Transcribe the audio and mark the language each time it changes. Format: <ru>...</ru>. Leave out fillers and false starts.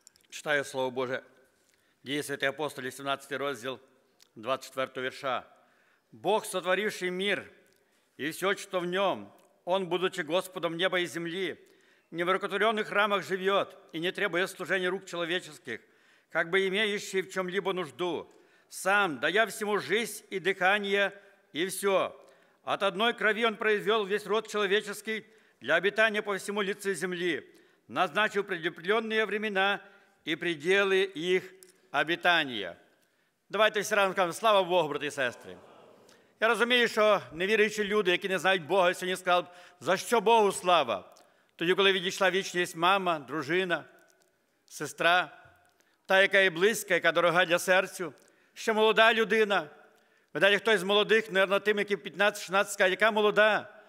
<uk>Читаю Слово Боже. Дії святих апостолів, 17 розділ, 24 вірша.</uk> <ru>Бог, сотворивший мир, і все, что в нем, Он, будучи Господом неба и земли, не в рукотворенных храмах живет и не требуя служения рук человеческих, как бы имеющий в чем-либо нужду, сам, дая всему жизнь и дыхание, и все. От одной крови Он произвел весь род человеческий для обитания по всему лице земли, назначив предопределенные времена и пределы их обитания. Давайте все равно скажем, слава Богу, братья и сестры.</ru> <uk>Я разумею, що невіруючі люди, які не знають Бога, сьогодні сказали б, за що Богу слава? Тоді, коли відійшла вічність мама, дружина, сестра, та, яка є близька, яка дорога для серцю, ще молода людина. Видалі, хтось з молодих, наверное, тим, які 15-16, скаже, яка молода?</uk>